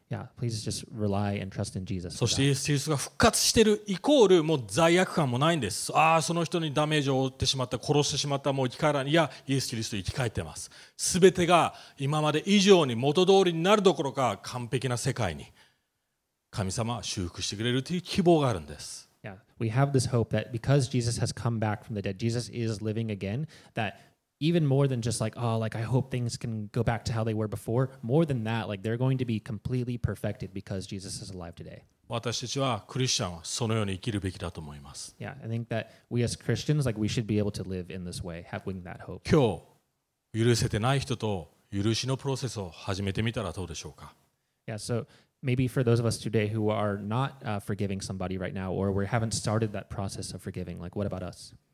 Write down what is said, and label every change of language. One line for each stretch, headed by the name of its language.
English: Yeah, please just rely and trust in Jesus.
Japanese: そしてイエス・キリストが復活しているイコールもう罪悪感もないんです。ああ、その人にダメージを負ってしまった、殺してしまった、もう生き返らない。いや、イエス・キリスト生き返ってます。すべてが今まで以上に元通りになるどころか完璧な世界に神様は修復してくれるという希望があるんです。
English: Yeah, we have this hope that because Jesus has come back from the dead, Jesus is living again, thatEven more than just like, oh, like I hope things can go back to how they were before. More than that, like they're going to be completely perfected because Jesus is alive today.
Japanese: 私たちはクリスチャンはそのように生きるべきだと思います。
English: Yeah, I think that we as Christians, like we should be able to live in this way, having that hope.
Japanese: 今日、許せてない人と許しのプロセスを始めてみたらどうでしょうか。
English: Yeah, so maybe for those of us today who are not forgiving somebody right now, or we haven't started that process of forgiving, like what about us?